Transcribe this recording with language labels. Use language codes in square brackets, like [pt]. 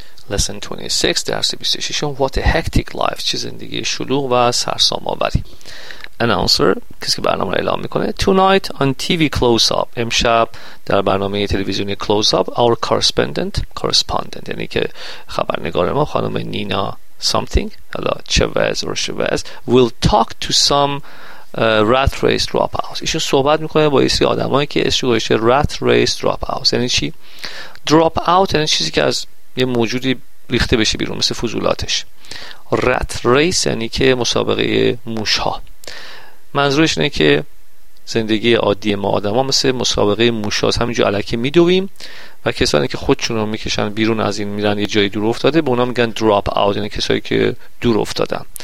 [fa] لسن 26 درس 26 [en] What a hectic life. [fa] چه زندگی شلوغ و سرسام آوری. Announcer, کسی که برنامه را اعلام میکنه. [en] Tonight on TV close-up. [fa] امشب در برنامه تلویزیونی close-up. [en] Our correspondent. Correspondent. [fa] یعنی که خبرنگار ما خانم نینا something. حالا چوز و شوز. [en] Will talk to some rat race dropouts. [fa] ایشون صحبت میکنه با ایسی آدم هایی که اسمش گذاشته rat race dropouts. یعنی چی؟ Dropout یعنی چیزی که از یه موجودی ریخته بشه بیرون مثل فضولاتش. Rat race یعنی که مسابقه موش ها. منظورش اینه که زندگی عادی ما آدم ها مثل مسابقه موش هاست، همینجور علکه میدویم و کسانی که خودشون رو میکشن بیرون از این میرن یه جای دور افتاده به اونا میگن دراپ آوت، یعنی کسایی که دور افتادن.